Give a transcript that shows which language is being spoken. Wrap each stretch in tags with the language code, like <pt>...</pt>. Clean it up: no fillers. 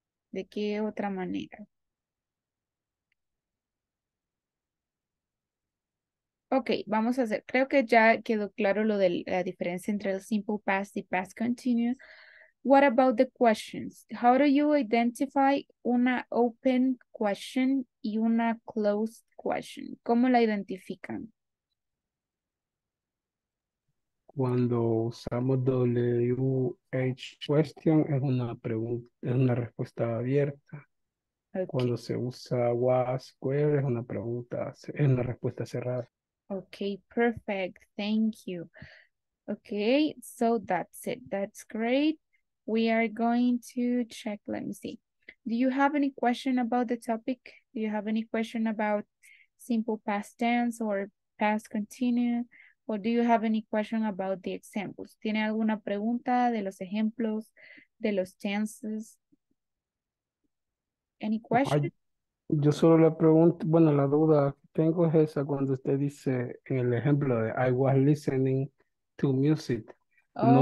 <es>¿De qué otra manera? Okay, vamos a hacer. Creo que ya quedó claro lo de la diferencia entre el simple past y past continuous.</es> <en>What about the questions? How do you identify</en> <es>una</es> <en>open question</en> <es>y una</es> <en>closed question?</en> <es>¿Cómo la identifican? Cuando usamos WH question, es una respuesta abierta.</es> <en>Okay.</en> <es>Cuando se usa was where, es una respuesta cerrada.</es> <en>Okay, perfect. Thank you. Okay, so that's it. That's great. We are going to check, let me see. Do you have any question about the topic? Do you have any question about simple past tense or past continuous? Or do you have any question about the examples?</en> <es>¿Tiene alguna pregunta de los ejemplos, de los tenses?</es> <en>Any question?</en> <es>Yo solo la pregunta, bueno, la duda que tengo es esa cuando usted dice en el ejemplo de</es> <en>I was listening to music.</en> <es>No</es>